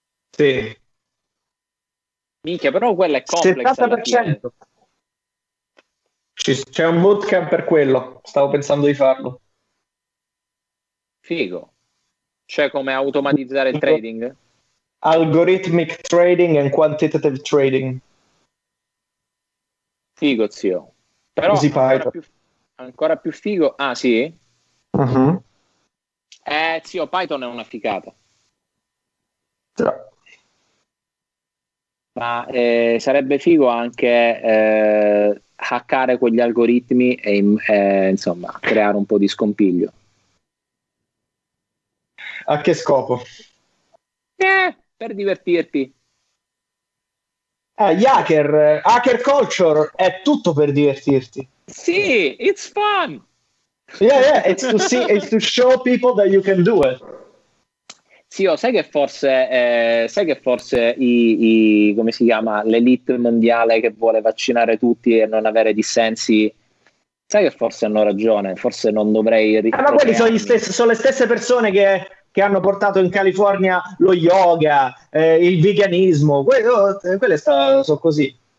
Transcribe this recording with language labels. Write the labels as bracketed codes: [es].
[it] Sì. Minchia, però quella è complex. 70%. C'è un bootcamp per quello, stavo pensando di farlo. Figo. Cioè come automatizzare il trading? [en] Algorithmic trading and quantitative trading. [it] Figo, zio. Però Easy Python. Ancora più figo. Ah, sì? Uh-huh. Zio, Python è una figata. Tra. Ma sarebbe figo anche hackare quegli algoritmi e insomma creare un po' di scompiglio. A che scopo? Per divertirti. [en] Hacker culture [it] è tutto per divertirti. Sì, [en] it's fun. Yeah, it's to show people that you can do it. [it] Sì, oh, sai che forse i come si chiama l'elite mondiale che vuole vaccinare tutti e non avere dissensi, sai che forse hanno ragione, forse non dovrei ritrovarmi. Ma quelli sono le stesse persone che hanno portato in California lo yoga, il veganismo, quelle sono così.